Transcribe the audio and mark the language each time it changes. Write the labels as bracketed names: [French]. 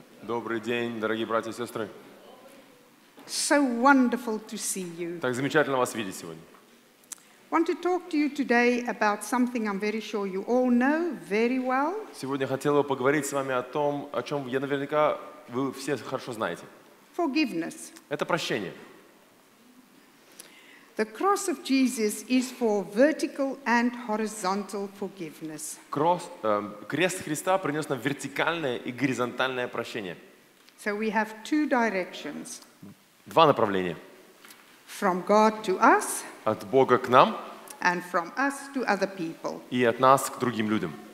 [Russian] Добрый день, дорогие братья и сестры. [English] So wonderful to see you. [Russian] Так замечательно вас видеть сегодня. [English] Want to talk to you today about something I'm very sure you all know very well. [Russian] Сегодня хотел бы поговорить с вами о том, о чем я наверняка вы все хорошо знаете. [English] Forgiveness. [Russian] Это прощение. [English] The cross of Jesus is for vertical and horizontal forgiveness. [Russian] Крест Христа принес нам вертикальное и горизонтальное прощение. [English] So we have two directions. [Russian] Два направления. [English] From God to us. [Russian] От Бога к нам. [English] And from us to other people. [Russian] И от нас к другим людям.